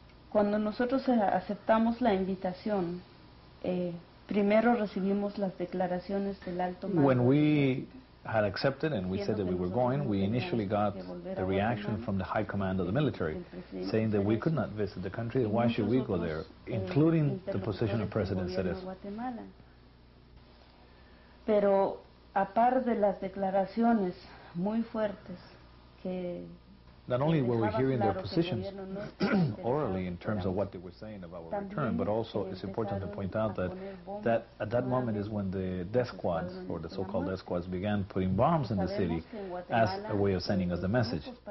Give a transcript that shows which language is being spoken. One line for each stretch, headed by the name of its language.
Spanish: Cuando nosotros aceptamos la invitación, primero recibimos las declaraciones del alto mando.
English: When we had accepted and we said that we were going, we initially got the reaction from the high command of the military saying that we could not visit the country, why should we go there, including the position of President Cedezo.
Spanish: Pero a par de las declaraciones muy fuertes que
English: not only were we hearing their positions orally in terms of what they were saying about our return, but also it's important to point out that at that moment is when the death squads, or the so-called death squads, began putting bombs in the city as a way of sending us the message.